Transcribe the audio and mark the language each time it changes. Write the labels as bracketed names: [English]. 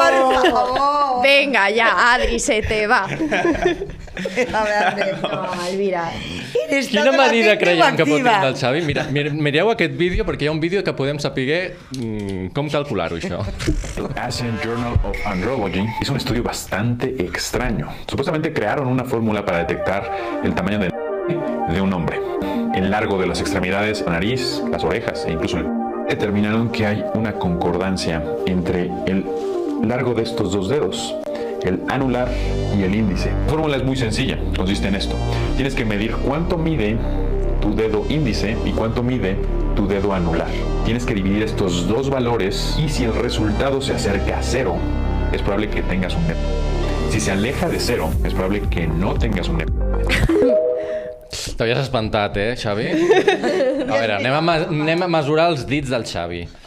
[Catalan] Per favor! Vinga, ja, Adri, [Spanish] se te va. [Catalan] A veure, no, Elvira. Quina medida creiem que pot tindre el Xavi? Mireu aquest vídeo, perquè hi ha un vídeo que podem saber com calcular-ho, això. [Spanish] Asian Journal of Andrology es un estudio bastante extraño. Supuestamente crearon una fórmula para detectar el tamaño de un hombre. El largo de las extremidades, la nariz, las orejas e incluso... Determinaron que hay una concordancia entre el largo de estos dos dedos, el anular y el índice. La fórmula es muy sencilla, consiste en esto. Tienes que medir cuánto mide tu dedo índice y cuánto mide tu dedo anular. Tienes que dividir estos dos valores y si el resultado se acerca a cero, es probable que tengas un nepo. Si se aleja de cero, es probable que no tengas un nepo. [Catalan] T'havies espantat, Xavi? A veure, anem a mesurar els dits del Xavi.